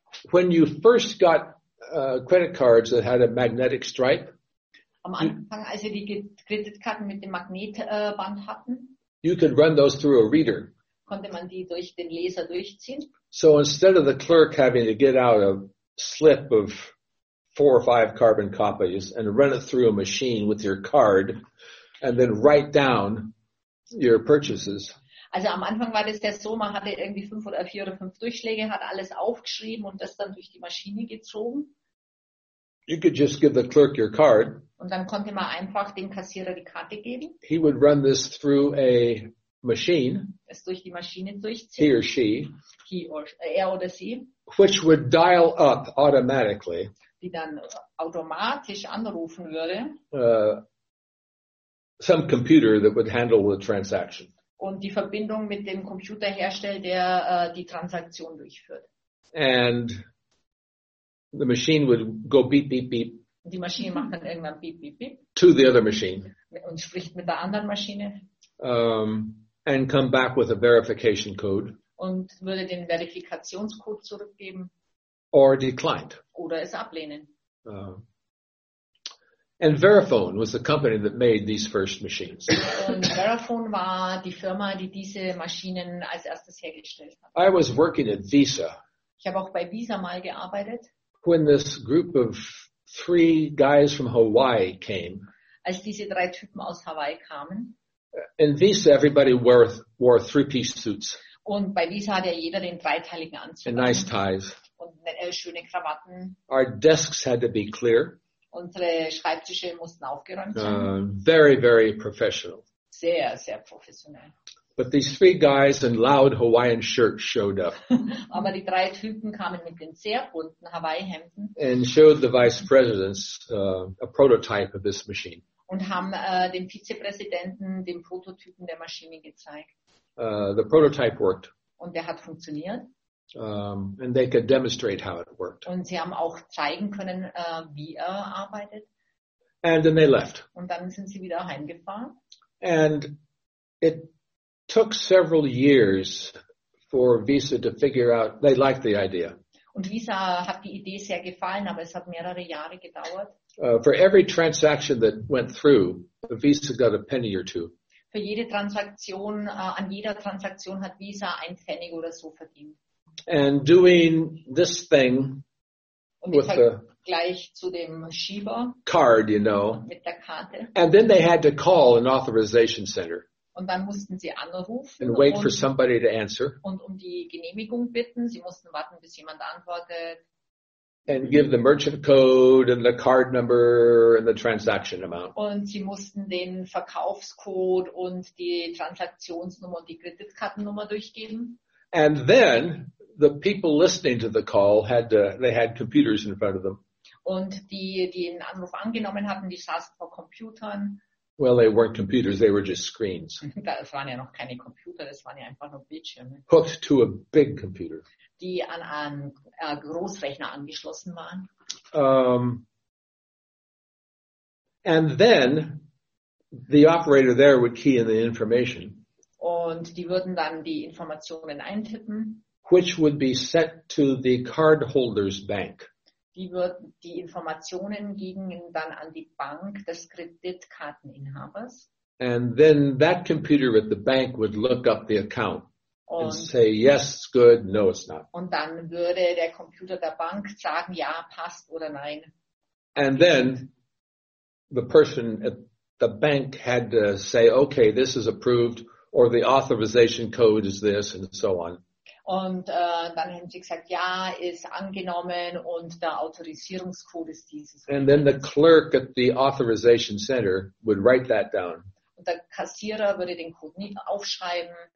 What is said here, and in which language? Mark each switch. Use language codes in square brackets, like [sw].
[en] When you first got credit cards that had a magnetic stripe. [de] Am Anfang, als wir die Kreditkarten mit dem Magnetband hatten, [en] you could run those through a reader. [de] Konnte man die durch den Laser durchziehen. [en] So instead of the clerk having to get out a slip of 4 or 5 carbon copies and run it through a machine with your card and then write down your purchases. [de] Also am Anfang war das der so, man hatte irgendwie 4 oder 5 Durchschläge, hat alles aufgeschrieben und das dann durch die Maschine gezogen. [en] You could just give the clerk your card. [de] Und dann konnte man einfach dem Kassierer die Karte geben. [en] He would run this through a machine. [de] Es durch die Maschine durchziehen. [en] He or she. [de] Er oder sie. [en] Which would dial up automatically. [de] die dann automatisch anrufen würde. [en] Some computer that would handle the transaction. [de] Und die Verbindung mit dem Computer herstellt, der die Transaktion durchführt. [en] And the machine would go beep, beep, beep. [de] Die Maschine macht dann irgendwann beep, beep, beep. [en] To the other machine. [de] Und spricht mit der anderen Maschine. [en] And come back with a verification code. [de] Und würde den Verifikationscode zurückgeben. [en] Or declined. [de] Oder es ablehnen. [en] And Verifone was the company that made these first machines. [de] Und Verifone war die Firma, die diese Maschinen als erstes hergestellt hat. [en] I was working at Visa. [de] Ich habe auch bei Visa mal gearbeitet. [en] When this group of three guys from Hawaii came. [de] Als diese drei Typen aus Hawaii kamen. [en] In Visa, everybody wore three-piece suits. [de] Und bei Visa hatte jeder den dreiteiligen Anzug. [en] And nice ties. [de] Und schöne Krawatten. [en] Our desks had to be clear. [de] Unsere Schreibtische mussten aufgeräumt sein. [en] Very, very professional. [de] Sehr, sehr professionell. [en] But these three guys in loud Hawaiian shirts showed up. [de] Aber die drei Typen kamen mit den sehr bunten Hawaii-Hemden. [en] And showed the vice presidents a prototype of this machine. [de] Und haben dem Vizepräsidenten den Prototypen der Maschine gezeigt. [en] The prototype worked. [de] Und der hat funktioniert. [en] And they could demonstrate how it worked. [de] Und sie haben auch zeigen können, wie er arbeitet. [en] And then they left. [de] Und dann sind sie wieder heimgefahren. [en] And it took several years for Visa to figure out they liked the idea. [de] Und Visa hat die Idee sehr gefallen, aber es hat mehrere Jahre gedauert. [en] For every transaction that went through, Visa got a penny or two. [de] Für jede Transaktion, an jeder Transaktion hat Visa ein Pfennig oder so verdient. [en] And doing this thing with the [de] gleich zu dem Schieber, [en] card, you know, [de] mit der Karte. [en] And then they had to call an authorization center [de] und dann mussten sie anrufen [en] and wait for somebody to answer [de] und um die Genehmigung bitten. Sie mussten warten, bis jemand antwortet. [en] And give the merchant code and the card number and the transaction amount. [de] Und sie mussten den Verkaufscode und die Transaktionsnummer und die Kreditkartennummer durchgeben. [en] And then the people listening to the call had to, they had computers in front of them. [de] Und die den Anruf angenommen hatten, die saßen vor Computern. [en] Well, they weren't computers, they were just screens. [de] Das waren ja noch keine Computer, das waren ja einfach nur Bildschirme. [en] Hooked to a big computer. [de] Die an einen Großrechner angeschlossen waren. [en] And then the operator there would key in the information. [de] Und die würden dann die Informationen eintippen. [en] Which would be sent to the cardholder's bank. [de] Die würden die Informationen gingen dann an die Bank des Kreditkarteninhabers. [en] And then that computer at the bank would look up the account and say, yes, it's good, no, it's not. [de] Und dann würde der Computer der Bank sagen, ja, passt oder nein. [en] And then the person at the bank had to say, okay, this is approved. Or the authorization code is this, and so on. [de] Und dann haben sie gesagt, ja, ist angenommen, und der Autorisierungscode ist dieses. [en] And then the clerk at the authorization center would write that down. [de] Und der Kassierer würde den Code nicht aufschreiben.